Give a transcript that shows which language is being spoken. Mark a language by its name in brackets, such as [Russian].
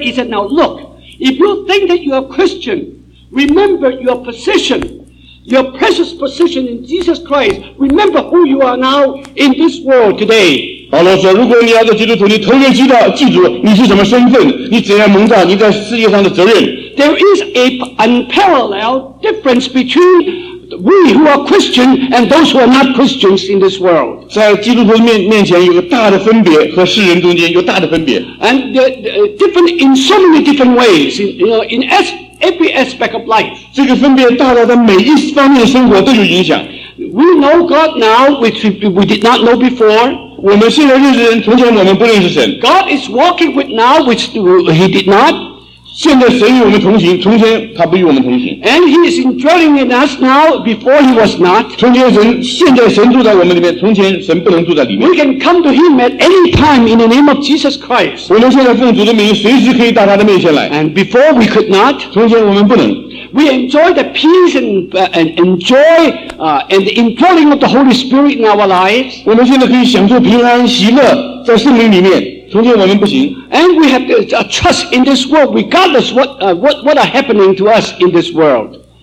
[English] He said, "Now look, if you think that you are Christian, remember your position, your precious position in Jesus Christ. Remember who you are now in this world today." [Chinese] 保罗说：“如果你要在基督徒，你特别记得，记住你是什么身份，你怎样蒙召，你在世界上的责任。” [English] There is a unparalleled difference between we who are Christian and those who are not Christians in this world. [Chinese] 在基督徒面前有个大的分别，和世人中间有大的分别。 [English] And different in so many different ways, you know, in every aspect of life. [Chinese] 这个分别大到的每一方面的生活都有影响。 [English] We know God now, which we did not know before. [Chinese] 我们现在认识神，从前我们不认识神。 [English] God is walking with now, which he did not. [Chinese] 现在神与我们同行，从前他不与我们同行。 [English] And he is dwelling in us now, before he was not. [Chinese] 从前神，现在神住在我们里面，从前神不能住在里面。 [English] We can come to him at any time in the name of Jesus Christ. [Chinese] 我们现在奉主的名，随时可以到他的面前来。 [English] And before we could not. [Chinese] 从前我们不能。 [English] We enjoy the peace and the indwelling of the Holy Spirit in our lives. [Chinese] 我们现在可以享受平安喜乐在圣灵里面。从前我们不行, [English] and we have a trust in this world, regardless what are happening to us in this world.